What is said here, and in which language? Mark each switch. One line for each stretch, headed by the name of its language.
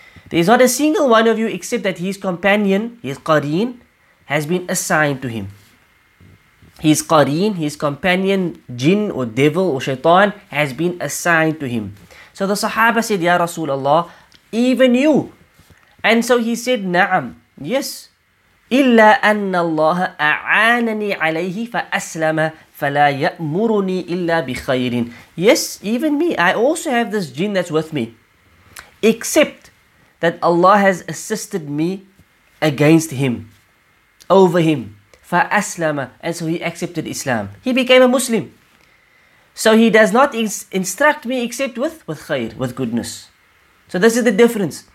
English: There is not a single one of you except that his companion, his qareen, has been assigned to him. His qareen, his companion, jinn or devil or shaitan, has been assigned to him. So the sahaba said, Ya Rasulullah, even you. And so he said, Na'am, yes.
Arabic: إلا أن الله أعانني عليه فأسلم فلا يأمرني إلا بخير.
English: Yes, even me, I also have this jinn that's with me, except that Allah has assisted me against him, over him.
Arabic: فأسلم,
English: and so he accepted Islam, he became a Muslim. So he does not instruct me except with khair, with goodness. So this is the difference.